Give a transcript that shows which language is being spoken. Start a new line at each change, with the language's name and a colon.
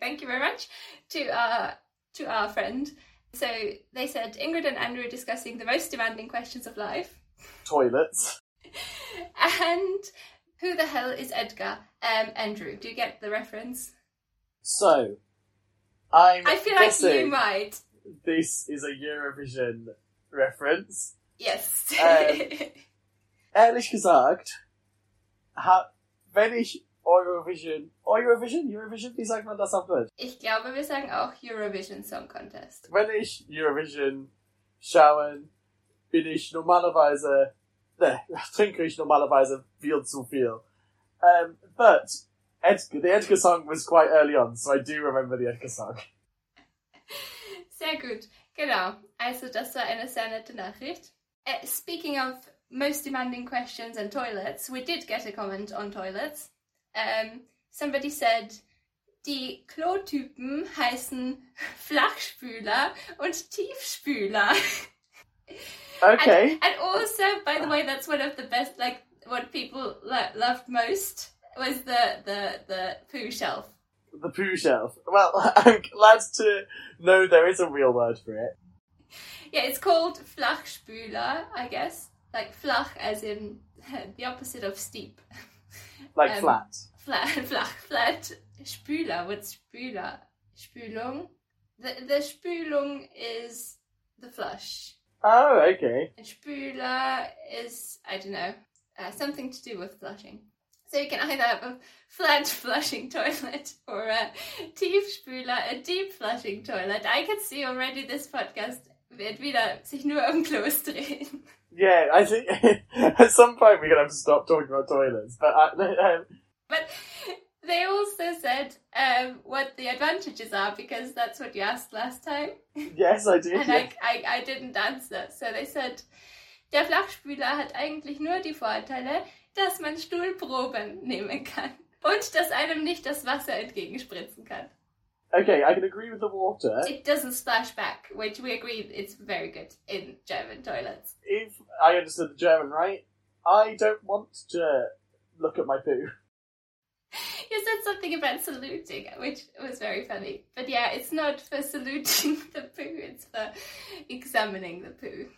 English: Thank you very much to our friend. So they said Ingrid and Andrew are discussing the most demanding questions of life. Toilets. And who the hell is Edgar? Andrew, do you get the reference? So I feel like you might. This is a Eurovision reference. Yes.
German: Ehrlich gesagt, wenn ich Eurovision, wie sagt man das auf Deutsch? Ich glaube, wir sagen auch Eurovision Song Contest. Wenn ich Eurovision schaue, trinke ich normalerweise viel zu viel.
English: But the Edgar song was quite early on, so I do remember the Edgar song.
German: Sehr gut, genau. Also das war eine sehr nette Nachricht.
English: Speaking of most demanding questions and toilets, we did get a comment on toilets. Somebody said,
German: die Klotypen heißen Flachspüler und Tiefspüler.
English: Okay. And also, by the way, that's one of the best, like, what people loved most was the poo shelf. The poo shelf. Well, I'm glad to know there is a real word for it. Yeah, it's called Flachspüler, I guess. Like, flach as in the opposite of steep. Like flat. Flat. Spüler. What's Spüler? Spülung? The Spülung is the flush. Oh, okay. Spüler is, I don't know, something to do with flushing. So you can either have a flat flushing toilet or a Tiefspüler, a deep flushing toilet. I can see already this podcast
German: wird wieder sich nur um Klos drehen.
English: Yeah, I think at some point we're going to have to stop talking about toilets. But they also said what the advantages are, because that's what you asked last time. Yes, I did. And I didn't answer. So they said,
German: der Flachspüler hat eigentlich nur die Vorteile, dass man Stuhlproben nehmen kann und dass einem nicht das Wasser entgegenspritzen kann.
English: Okay, I can agree with the water. It doesn't splash back, which we agree is very good in German toilets. If I understood the German right, I don't want to look at my poo. You said something about saluting, which was very funny. But yeah, it's not for saluting the poo, it's for examining the poo.